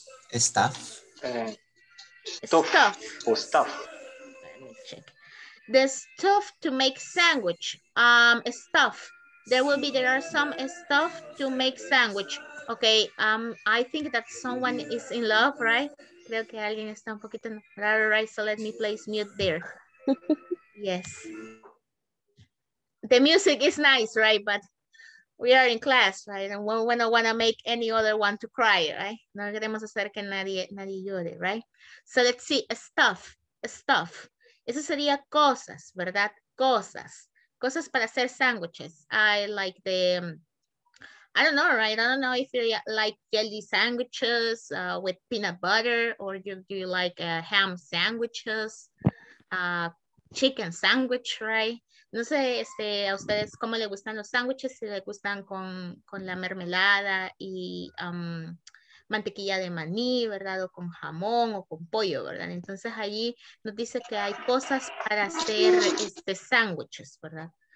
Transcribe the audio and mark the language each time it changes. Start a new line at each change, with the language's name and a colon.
English: Staff. Stuff. Oh, stuff. The stuff to make sandwich, stuff. There are some stuff to make sandwich. Okay, I think that someone is in love, right?
Spanish: Creo que alguien está un poquito raro, right?
English: So let me place mute there. Yes. The music is nice, right? But we are in class, right? And we don't wanna make any other one to cry, right?
Spanish: No queremos hacer que nadie llore, right?
English: So let's see, stuff.
Spanish: Eso sería cosas, ¿verdad? Cosas para hacer sandwiches.
English: I like the, I don't know, right? I don't know if you like jelly sandwiches with peanut butter, or do you like ham sandwiches, chicken sandwich, right?
Spanish: No sé a ustedes cómo les gustan los sandwiches, si les gustan con la mermelada y mantequilla de maní, ¿verdad? O con jamón o con pollo, ¿verdad? Entonces allí nos dice que hay cosas para hacer sándwiches, ¿verdad?